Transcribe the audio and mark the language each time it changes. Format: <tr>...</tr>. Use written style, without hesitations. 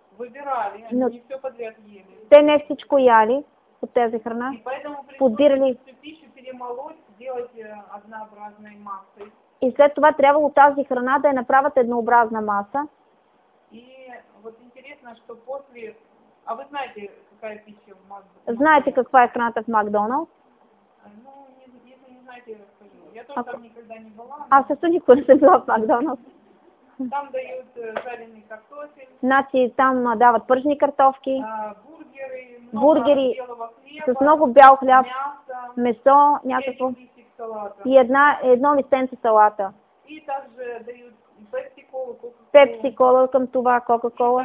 <ru>Выбирали, они не все подряд ели.</ru> <bg>Те не всичко яли. От тези храна.</bg> <ru>И поэтому подбирали пищу перемолоть, сделать однообразной массой.</ru> <bg>И след това трябвало тази храна да я направят еднообразна маса.</bg> <ru>И вот интересно, что после... А вы знаете, какая пища в Макдоналдс?</ru> <bg>Знаете, каква е храната в Макдоналдс?</bg> <ru>Ну, если не знаете, я расскажу. Я тоже там никогда не была. Но...</ru> <bg>А също никога не съм била в Макдоналдс.</bg> <ru>Там дают жареный картофель.</ru> <bg>Значи там дават пържни картофки. Бургери с много бял хляб,</bg> <ru>мясо,</ru> <bg>някакво и едно листенце салата.</bg> <ru>И также дают пепсикола,</ru> <bg>пепсикола към това, кока-кола.</bg>